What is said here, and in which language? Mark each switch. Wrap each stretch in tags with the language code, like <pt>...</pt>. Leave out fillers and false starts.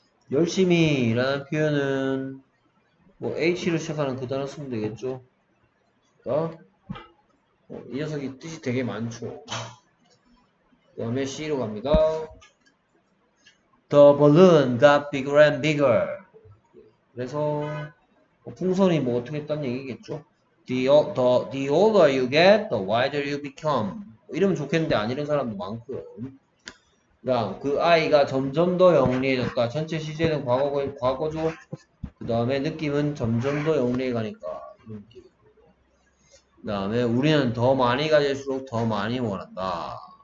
<ko>열심히 일하는 표현은 뭐 H로 시작하는 그 단어 쓰면 되겠죠. 어? 이 녀석이 뜻이 되게 많죠. 그 다음에 C로 갑니다.</ko> <en>The balloon got bigger and bigger.</en> <ko>그래서 풍선이 뭐 어떻게 했다는 얘기겠죠.</ko> <en>The older you get, the wider you become.</en> <ko>이러면 좋겠는데 안 이런 사람도 많고요. 그 아이가 점점 더 영리해졌다. 전체 시제는 과거죠. 그 다음에 느낌은 점점 더 영리해 가니까. 그 다음에 우리는 더 많이 가질수록 더 많이 원한다.</ko>